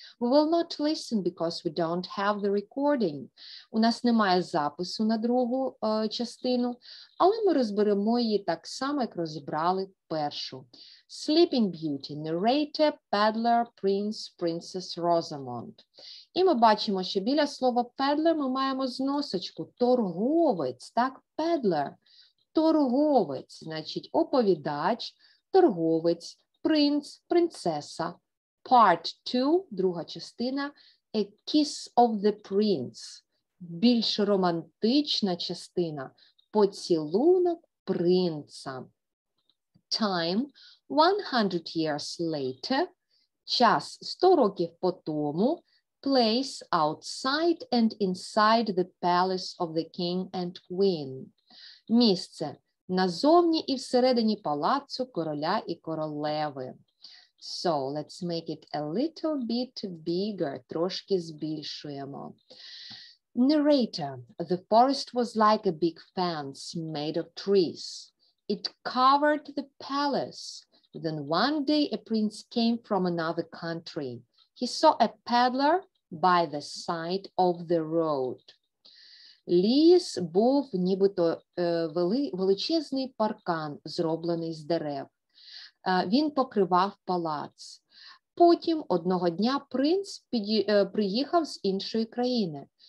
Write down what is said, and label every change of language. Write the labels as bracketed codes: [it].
[en] We will not listen because we don't have the recording. [uk] У нас немає запису на другу частину, але ми розберемо її так само, як розібрали першу. [en] Sleeping Beauty, narrator, peddler, prince, princess Rosamond. [uk] І ми бачимо, що біля слова peddler ми маємо зносочку, торговець, так, peddler. Торговець, значить оповідач, торговець, принц, принцеса. [en] Part 2, [uk] друга частина, [en] A Kiss of the Prince. [uk] Більш романтична частина, поцілунок принца. [en] Time, 100 years later. [uk] Час, 100 років по тому. [en] Place, outside and inside the palace of the king and queen. [uk] Місце. Назовні і всередині палацу короля і королеви. [en] So, let's make it a little bit bigger. [uk] Трошки збільшуємо. Narrator. [en] The forest was like a big fence made of trees. It covered the palace. Then one day a prince came from another country. He saw a peddler by the side of the road. [uk] Ліс був нібито величезний паркан, зроблений з дерев. Він покривав палац. Потім одного дня принц приїхав з іншої країни.